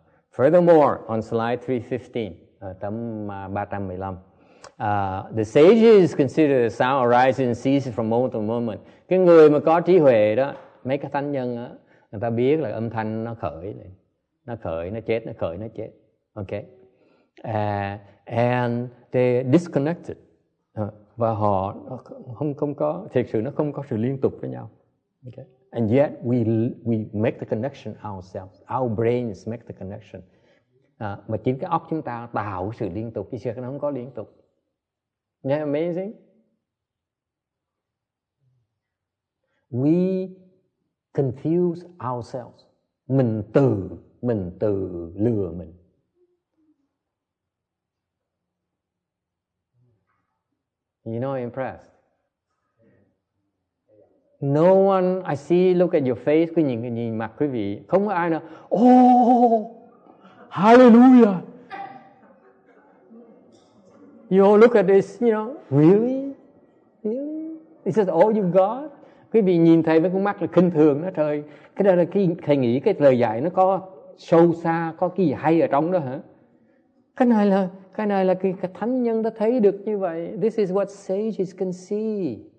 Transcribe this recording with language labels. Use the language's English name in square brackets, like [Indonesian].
[English] Furthermore, on slide 315, the sages consider the sound arising and ceasing from moment to moment. [Vietnamese] Cái người mà có trí huệ đó, mấy cái thánh nhân đó, người ta biết là âm thanh nó khởi lên. Nó khởi, nó chết, nó khởi, nó chết. Okay. [English] And they disconnected. [Vietnamese] Và họ không có, thiệt sự nó không có sự liên tục với nhau. Okay. [English] And yet we make the connection ourselves. Our brains make the connection. [Vietnamese] Mà chính cái óc chúng ta tạo sự liên tục, chứ nó không có liên tục. [English] Isn't that amazing? We confuse ourselves. [Vietnamese] Mình tự lừa mình. [English] You know, impressed. No one, I see, look at your face, [Vietnamese] nhìn mặt quý vị. Không có ai nào, oh, hallelujah. [English] You all look at this, you know, really? Really? Is that all you've got? [Vietnamese] Quý vị nhìn thấy với con mắt là khinh thường đó, trời. Cái đó là cái thầy nghĩ cái lời dạy nó có sâu xa, có cái gì hay ở trong đó hả? Cái này là cái thánh nhân đã thấy được như vậy. [English] This is what sages can see.